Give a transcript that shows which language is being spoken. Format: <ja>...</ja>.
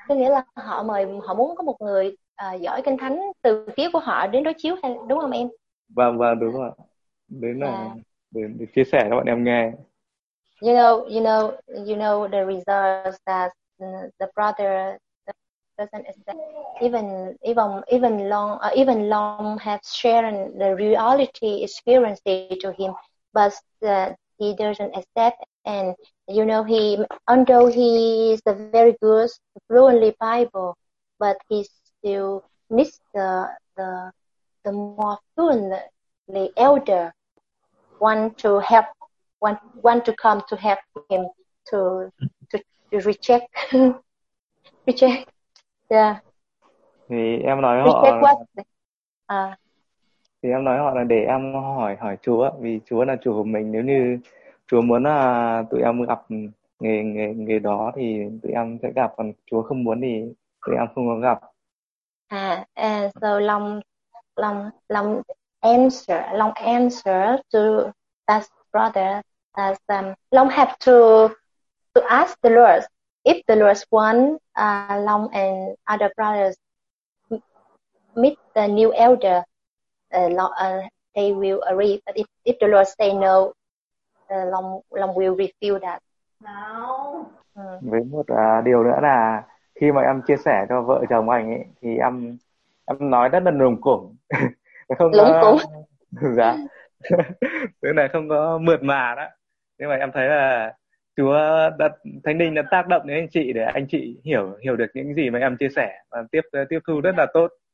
<vi>Có nghĩa là họ muốn có một người giỏi Kinh Thánh từ phía của họ đến đối chiếu hay đúng không em? Vâng đúng rồi. Đến là để chia sẻ cho bọn em nghe.</vi> <en>You know the results that the brother doesn't accept. Even Long have shared the reality experience to him, but he doesn't accept And you know, he, although he is a very good fluently Bible, but he still needs the more fluently elder one to help, one to come to help him to recheck. Recheck. Yeah.</en> <vi>Thì em nói họ thì em nói họ là để em hỏi Chúa, vì Chúa là chủ của mình. Nếu như Chúa muốn là tụi em gặp nghề đó thì tụi em sẽ gặp, còn Chúa không muốn thì tụi em không có gặp.</vi> <en>So long answer, long answer to that brother, as long have to ask the Lord. If the Lord want Long and other brothers meet the new elder, they will agree. But if the Lord say no, Long will refuse that. No.</en> <vi>Với một điều nữa là khi mà em chia sẻ cho vợ chồng anh ấy, thì em nói rất là lủng củng. Lủng củng. Dạ. Thế này không có mượt mà đó. Nhưng mà em thấy là Chúa đã, Thánh Linh đã tác động đến anh chị để anh chị hiểu được những gì mà em chia sẻ và tiếp thu rất là tốt.</vi>